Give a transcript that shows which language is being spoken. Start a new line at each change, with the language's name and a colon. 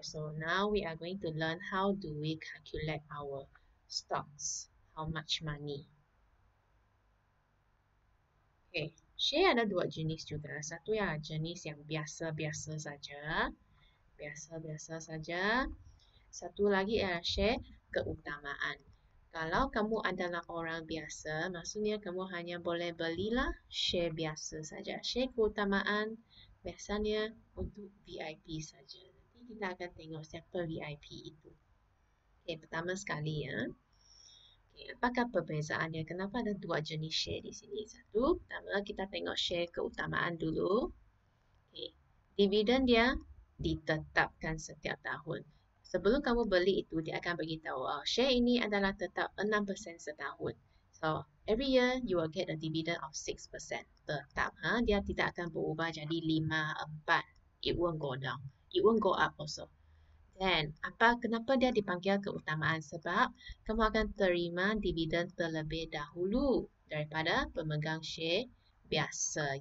English: So now we are going to learn how do we calculate our stocks, how much money.
Malay: Okay, share ada dua jenis juga. Satu ya jenis yang biasa-biasa saja. Biasa-biasa saja. Satu lagi ialah share keutamaan. Kalau kamu adalah orang biasa, maksudnya kamu hanya boleh belilah share biasa saja. Share keutamaan biasanya untuk VIP saja. Nanti kita akan tengok siapa VIP itu. Okay, pertama sekali ya. Okay, apakah perbezaannya? Kenapa ada dua jenis share di sini? Satu, pertama kita tengok share keutamaan dulu. Okay, dividen dia ditetapkan setiap tahun. Sebelum kamu beli itu, dia akan beritahu, oh, share ini adalah tetap 6% setahun.
English: So, every year, you will get a dividend of 6%.
Malay: Tetap, ha? Dia tidak akan berubah jadi 5, 4.
English: It won't go down. It won't go up also.
Malay: Then, apa kenapa dia dipanggil keutamaan? Sebab, kamu akan terima dividend terlebih dahulu daripada pemegang share biasa.